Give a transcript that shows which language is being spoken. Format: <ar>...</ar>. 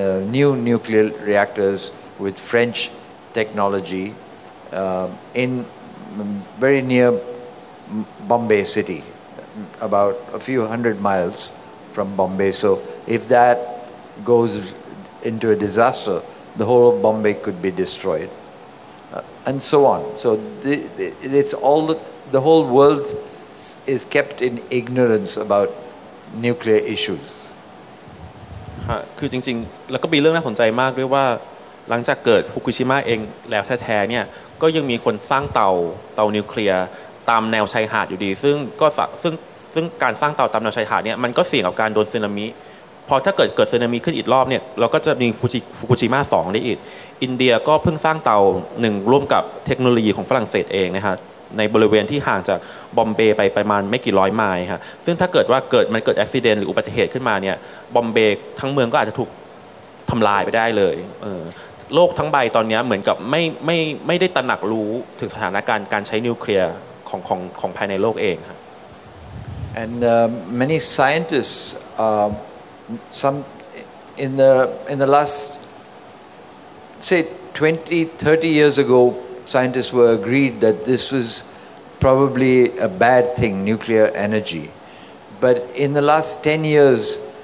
<en>new nuclear reactors with French technology in very near Bombay cityabout a few hundred miles from Bombay so if that goes into a disaster the whole of Bombay could be destroyed and so on so it's all the whole world is kept in ignorance about nuclear issues</en> <th>ฮะคือจริงๆแล้วก็มีเรื่องน่าสนใจมากด้วยว่าหลังจากเกิดฟุกุชิมะเองแล้วแท้ๆเนี่ยก็ยังมีคนสร้างเตานิวเคลียร์ตามแนวชายหาดอยู่ดีซึ่งการสร้างเตาตามแนวชายหาดเนี่ยมันก็เสี่ยงกับการโดนสึนามิ พอถ้าเกิดสึนามิขึ้นอีกรอบเนี่ยเราก็จะมีฟุกุชิมะ2ได้อีกอินเดียก็เพิ่งสร้างเตา1ร่วมกับเทคโนโลยีของฝรั่งเศสเองนะฮะในบริเวณที่ห่างจากบอมเบย์ไปประมาณไม่กี่ร้อยไมล์ฮะซึ่งถ้าเกิดว่าเกิดอุบัติเหตุหรืออุบัติเหตุขึ้นมาเนี่ยบอมเบย์ทั้งเมืองก็อาจจะถูกทำลายไปได้เลยโลกทั้งใบตอนนี้เหมือนกับไม่ได้ตระหนักรู้ถึงสถานการณ์การใช้นิวเคลียร์ของภายในโลกเองครับ</th> <en>and many scientists some in the last say 20 30 years ago scientists were agreed that this was probably a bad thing nuclear energy but in the last 10 years</en>